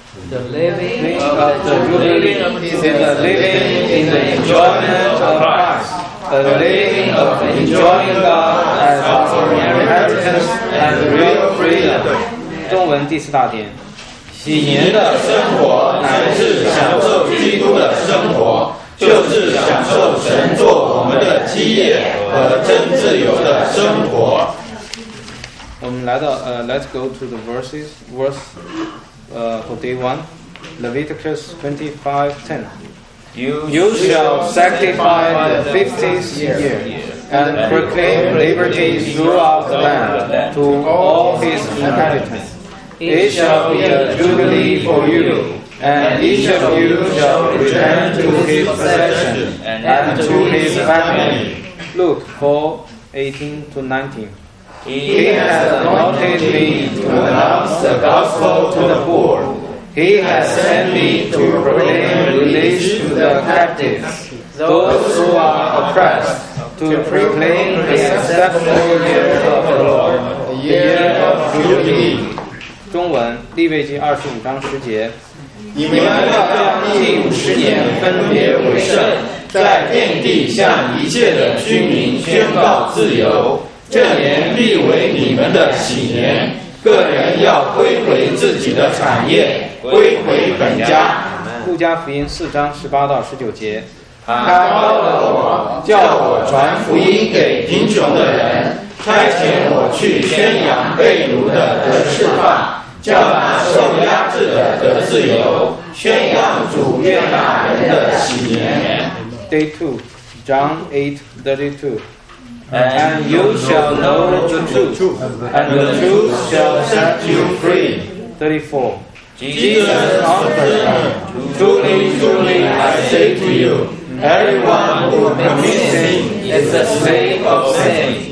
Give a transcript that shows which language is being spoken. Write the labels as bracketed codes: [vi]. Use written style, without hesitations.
[en] The living of the Jubilee is the living in the enjoyment of Christ. The living of enjoying God as our inheritance and real freedom. [zh] 中文第四大点，喜年的生活乃是享受基督的生活，就是享受神做我们的基业和真自由的生活。我们来到 [en] Let's go to the verses. Verse for day one, Leviticus 25:10. You shall sanctify the 50th year and proclaim liberty throughout the land to all his inhabitants. It shall be a jubilee for you, and each of you shall return to his possession and to his family. Luke 4:18-19. He has anointed me to announce the gospel to the poor. He has sent me to proclaim release to the captives, those who are oppressed, to proclaim the acceptable year of the Lord, the year of Jubilee. [zh] 中文利未记二十五章十节，你们要将第五十年分别为圣，在遍地向一切的居民宣告自由。这年必为你们的喜年，个人要归回自己的产业。归回本家。路加福音四章十八到十九节，他高了我，叫我传福音给贫穷的人，差遣我去宣扬被掳的得释放，叫那受压制的得自由，宣扬主悦纳人的喜年。 [en] Day 2, John 8:32. And you shall know the truth, and the truth shall set you free. 34. Jesus answered him, Truly, truly, I say to you, everyone who commits sin is a slave of sin.